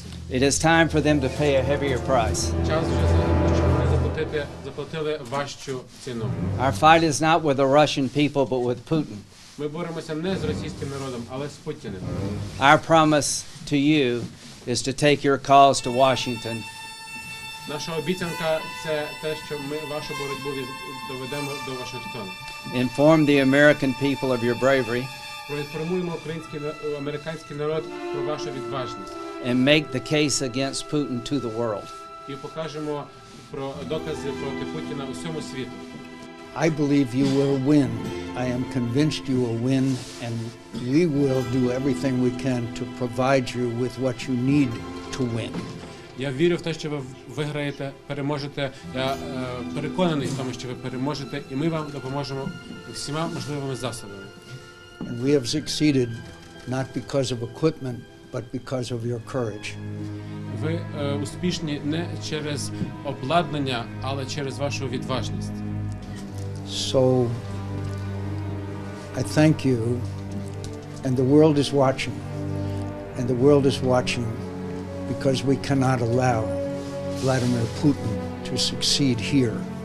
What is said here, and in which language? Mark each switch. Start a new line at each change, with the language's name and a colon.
English: It is time for them to pay a heavier price. Our fight is not with the Russian people, but with Putin. Our promise to you is to take your cause to Washington.
Ukrainian: Наша обіцянка це те, що ми вашу боротьбу доведемо до Вашингтона.
English: Inform the American people of your bravery.
Ukrainian: Проінформуємо американський народ про вашу відважність.
English: And make the case against Putin to the world.
Ukrainian: І покажемо про докази проти Путіна всьому світу.
English: I believe you will win. I am convinced you will win, and we will do everything we can to provide you with what you need to win.
Ukrainian: Я вірю в те, що ви виграєте, переможете. Я переконаний в тому, що ви переможете, і ми вам допоможемо всіма можливими засобами.
English: And we have succeeded not because of equipment, but because of your courage.
Ukrainian: Ви успішні не через обладнання, але через вашу відважність.
English: So I thank you, and the world is watching. And the world is watching. Because we cannot allow Vladimir Putin to succeed here.